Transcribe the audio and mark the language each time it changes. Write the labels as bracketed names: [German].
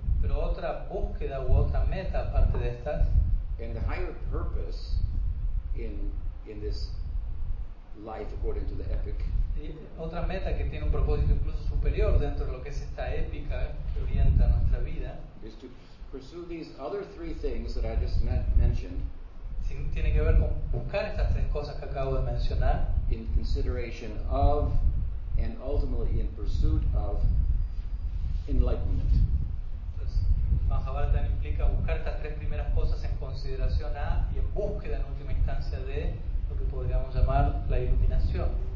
[Spanish] Pero otra búsqueda u otra meta aparte de estas. [English] And the higher purpose in this life according to the epic. [Spanish] Y otra meta que tiene un propósito incluso superior dentro de lo que es esta épica que orienta nuestra vida. [English] Is to pursue these other three things that I just mentioned. [Spanish] Tiene que ver con buscar estas tres cosas que acabo de mencionar. [English] In consideration of and ultimately in pursuit of enlightenment. [Spanish] Mahabharata implica buscar estas tres primeras cosas en consideración a y en búsqueda en última instancia de lo que podríamos llamar la iluminación.